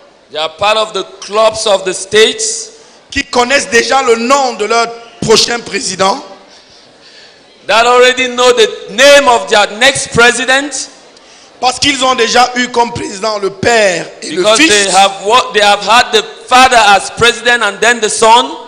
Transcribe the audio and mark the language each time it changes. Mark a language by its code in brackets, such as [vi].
[en] They are part of the clubs of the states. [fr] Qui connaissent déjà le nom de leur prochain président. [en] That already know the name of their next president. [fr] Parce qu'ils ont déjà eu comme président le père et [en] because [fr] le fils. [en] They have had the father as president and then the son.